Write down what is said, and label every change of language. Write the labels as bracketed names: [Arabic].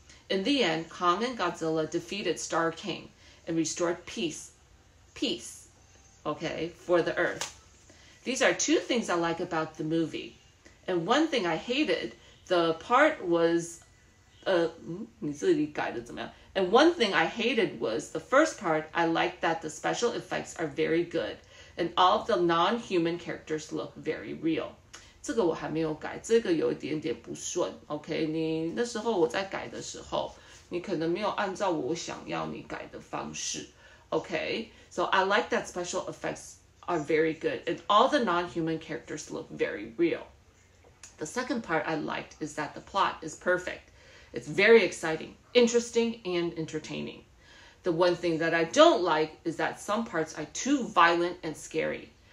[English] In the end, Kong and Godzilla defeated Star King and restored peace, okay, for the Earth. These are two things I like about the movie. And one thing I hated, the part was, [Chinese] 你自己改的怎么样? [English] And one thing I hated was the first part, I liked that the special effects are very good, and all of the non-human characters look very real. [Chinese] 这个我还没有改，这个有一点点不顺。OK, 你那时候我在改的时候, 你可能没有按照我想要你改的方式。 [English] OK, so I like that special effects are very good, and all the non-human characters look very real. The second part I liked is that the plot is perfect. It's very exciting, interesting, and entertaining. The one thing that I don't like is that some parts are too violent and scary.